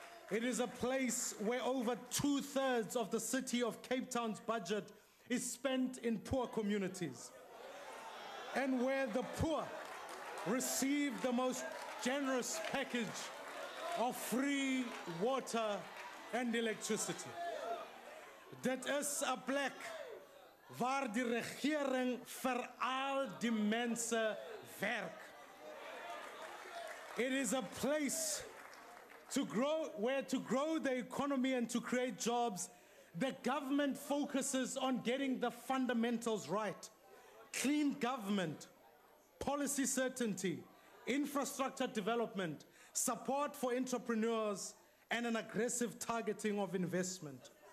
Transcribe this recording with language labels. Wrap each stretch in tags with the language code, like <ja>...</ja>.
<en>It is a place where over two-thirds of the city of Cape Town's budget is spent in poor communities, and where the poor receive the most generous package of free water and electricity.</en> <af>Dit is 'n plek waar die regering vir al die mense werk.</af> <en>It is a place to grow, where to grow the economy and to create jobs, the government focuses on getting the fundamentals right. Clean government, policy certainty, infrastructure development, support for entrepreneurs, and an aggressive targeting of investment.</en>